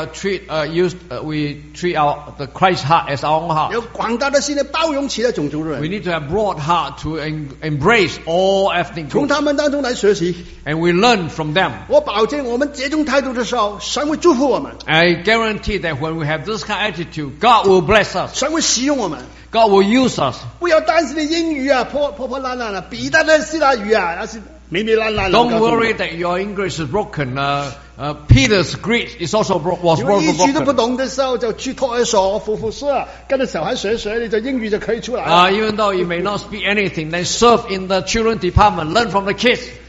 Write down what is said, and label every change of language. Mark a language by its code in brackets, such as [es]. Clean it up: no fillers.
[en] We treat the Christ heart as our own heart. [zh] 有广大的心来包容其他种族的人。 [en] We need to have broad heart to embrace all ethnic groups. [zh] 从他们当中来学习。 [en] And we learn from them. [zh] 我保证我们这种态度的时候，神会祝福我们。 [en] I guarantee that when we have this kind of attitude, God will bless us. [zh] 神会使用我们。 [en] God will use us. [zh] 不要担心的英语啊，破破破烂烂的，彼得的希腊语啊，那是迷迷烂烂的。 [en] Don't worry that your English is broken. Peter's Greek is also even though you may not speak anything, then serve in the children department, learn from the kids.